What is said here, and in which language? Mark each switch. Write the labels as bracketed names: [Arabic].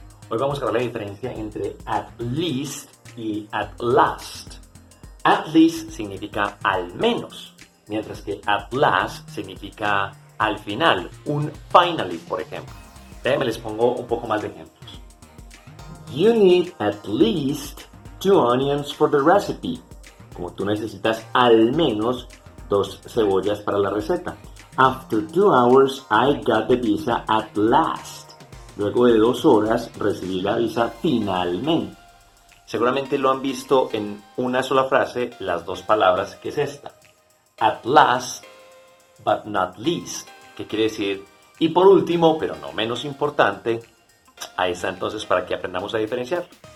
[Spanish] Hoy vamos a ver la diferencia entre at least y at last. At least significa al menos, mientras que at last significa al final, un finally, por ejemplo. Déjenme les pongo un poco más de ejemplos. [English] You need at least 2 onions for the recipe. [Spanish] Como tú necesitas al menos 2 cebollas para la receta. [English] After 2 hours, I got the visa at last. [Spanish] Luego de 2 horas, recibí la visa finalmente. Seguramente lo han visto en una sola frase, las dos palabras, que es esta. [English] At last, but not least, [Spanish] que quiere decir, y por último, pero no menos importante, ahí está entonces para que aprendamos a diferenciar.